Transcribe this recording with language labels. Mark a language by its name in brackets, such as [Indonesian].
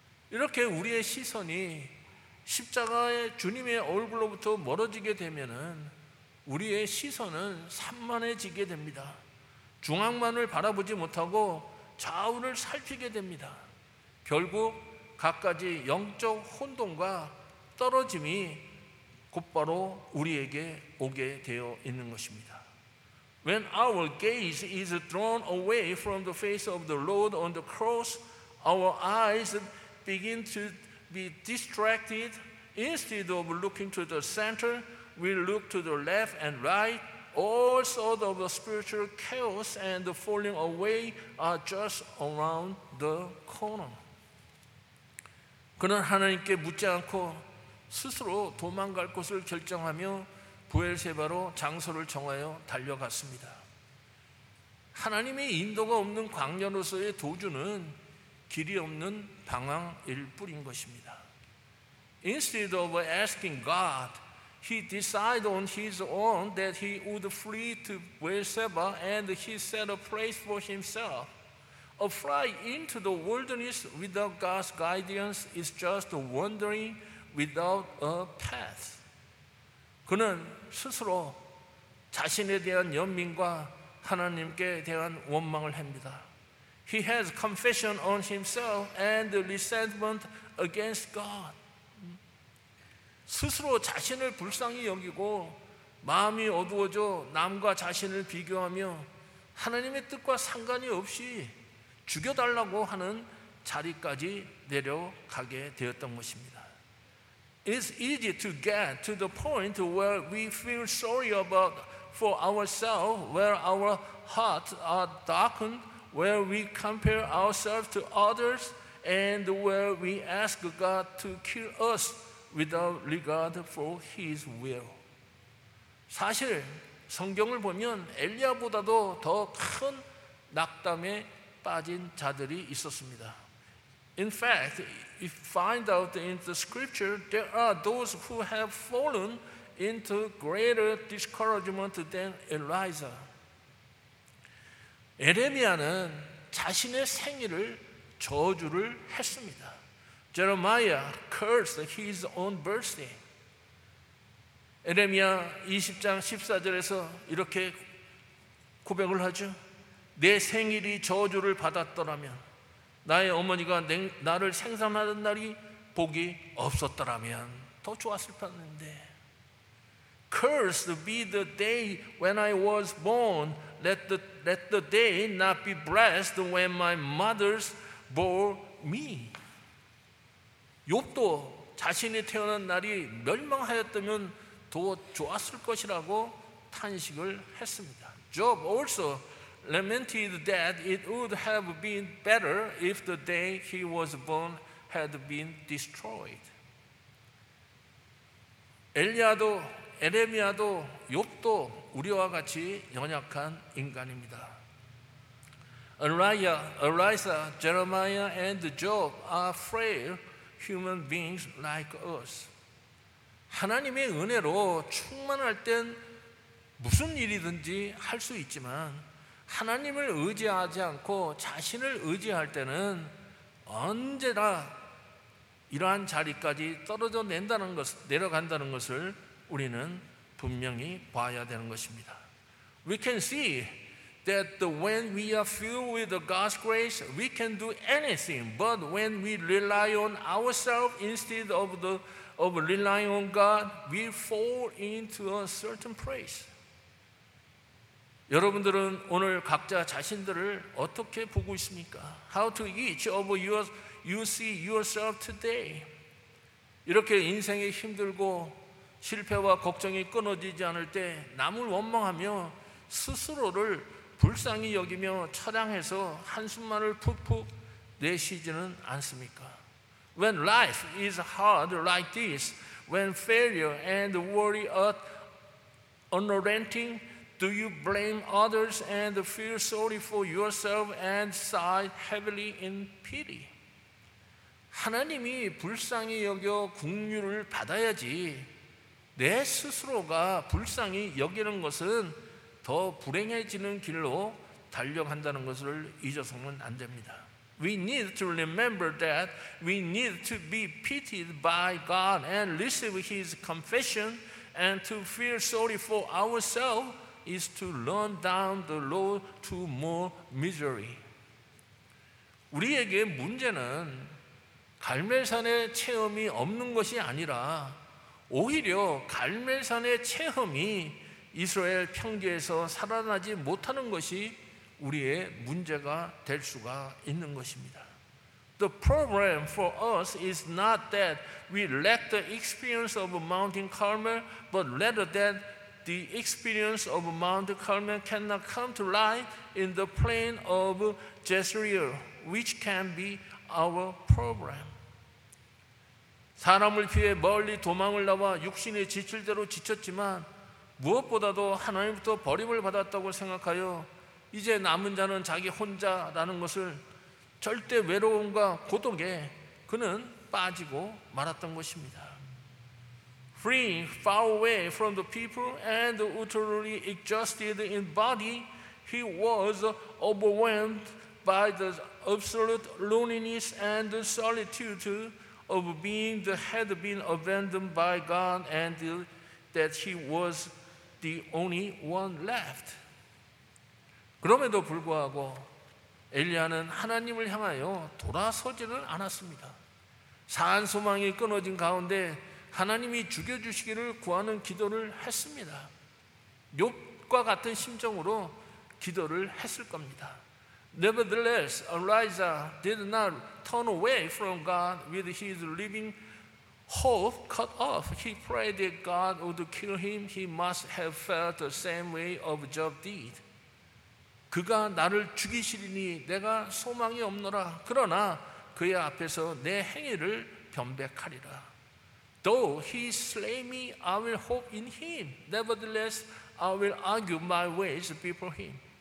[Korean] 이렇게 우리의 시선이 십자가의 주님의 얼굴로부터 멀어지게 되면은 우리의 시선은 산만해지게 됩니다. 중앙만을 바라보지 못하고 좌우를 살피게 됩니다. 결국 각가지 영적 혼돈과 떨어짐이 곧바로 우리에게 오게 되어 있는 것입니다. [English] When our gaze is drawn away from the face of the Lord on the cross, our eyes begin to be distracted. Instead of looking to the center, we look to the left and right. All sorts of spiritual chaos and the falling away are just around the corner. [Korean] 그는 하나님께 묻지 않고 스스로 도망갈 곳을 결정하며 부엘세바로 장소를 정하여 달려갔습니다. 하나님의 인도가 없는 광야로서의 도주는 길이 없는 방황일 뿐인 것입니다. [English] Instead of asking God, he decided on his own that he would flee to Beersheba and he set a place for himself. A flight into the wilderness without God's guidance is just wandering without a path. [Korean] 그는 스스로 자신에 대한 연민과 하나님께 대한 원망을 합니다. [English] He has confession on himself and resentment against God. [Korean] 스스로 자신을 불쌍히 여기고 마음이 어두워져 남과 자신을 비교하며 하나님의 뜻과 상관이 없이 죽여달라고 하는 자리까지 내려가게 되었던 것입니다. [English] It's easy to get to the point where we feel sorry about for ourselves, where our hearts are darkened, where we compare ourselves to others, and where we ask God to kill us without regard for His will. [Korean] 사실 성경을 보면 엘리야보다도 더 큰 낙담에 빠진 자들이 있었습니다. [English] In fact, if you find out in the scripture, there are those who have fallen into greater discouragement than Elijah. [Korean] 예레미야는 자신의 생일을 저주를 했습니다. [English] Jeremiah cursed his own birthday. [Korean] 예레미야 20장 14절에서 이렇게 고백을 하죠. 내 생일이 저주를 받았더라면 나의 어머니가 나를 생산하던 날이 복이 없었더라면 더 좋았을 텐데. [English] Cursed be the day when I was born. Let the day not be blessed when my mother's bore me. [Korean] 욥도 자신이 태어난 날이 멸망하였다면 더 좋았을 것이라고 탄식을 했습니다. [English] Job also lamented that it would have been better if the day he was born had been destroyed. [Korean] 엘리야도 에레미야도 욥도 우리와 같이 연약한 인간입니다. [English] Elijah, Jeremiah and Job are frail human beings like us. [Korean] 하나님의 은혜로 충만할 땐 무슨 일이든지 할 수 있지만 하나님을 의지하지 않고 자신을 의지할 때는 언제나 이러한 자리까지 떨어져 내려간다는 것을 우리는 분명히 봐야 되는 것입니다. [English] We can see that when we are filled with God's grace, we can do anything. But when we rely on ourselves instead of relying on God, we fall into a certain place. [Korean] 여러분들은 오늘 각자 자신들을 어떻게 보고 있습니까? [English] How do each of you see yourself today? [Korean] 이렇게 인생이 힘들고 실패와 걱정이 끊어지지 않을 때 남을 원망하며 스스로를 불쌍히 여기며 처량해서 한숨만을 푹푹 내쉬지는 않습니까? [English] When life is hard like this, when failure and worry are unrelenting, do you blame others and feel sorry for yourself and sigh heavily in pity? [Korean] 하나님이 불쌍히 여겨 긍휼을 받아야지 내 스스로가 불쌍히 여기는 것은 더 불행해지는 길로 달려간다는 것을 잊어서는 안 됩니다. [English] We need to remember that we need to be pitied by God and receive His confession and to feel sorry for ourselves is to run down the road to more misery. [Korean] 우리에게 문제는 갈멜산의 체험이 없는 것이 아니라 오히려 갈멜산의 체험이 이스라엘 평지에서 살아나지 못하는 것이 우리의 문제가 될 수가 있는 것입니다. [English] The problem for us is not that we lack the experience of Mount Carmel, but rather that the experience of Mount Carmel cannot come to life in the plain of Jezreel, which can be our problem. [Korean] 사람을 피해 멀리 도망을 나와 육신의 지칠 대로 지쳤지만 무엇보다도 하나님부터 버림을 받았다고 생각하여 이제 남은 자는 자기 혼자라는 것을 절대 외로움과 고독에 그는 빠지고 말았던 것입니다. [English] Free, far away from the people and utterly exhausted in body, he was overwhelmed by the absolute loneliness and solitude of being that had been abandoned by God and that he was the only one left. [Korean] 그럼에도 불구하고 엘리야는 하나님을 향하여 돌아서지를 않았습니다. 산 소망이 끊어진 가운데 하나님이 죽여주시기를 구하는 기도를 했습니다. 욥과 같은 심정으로 기도를 했을 겁니다. [English] Nevertheless, Elijah did not turn away from God with his living hope cut off. He prayed that God would kill him. He must have felt the same way of Job did. [Korean] 그가 나를 죽이시리니 내가 소망이 없노라. 그러나 그의 앞에서 내 행위를 변백하리라. [English] Though he slay me, I will hope in him. Nevertheless, I will argue my ways before him.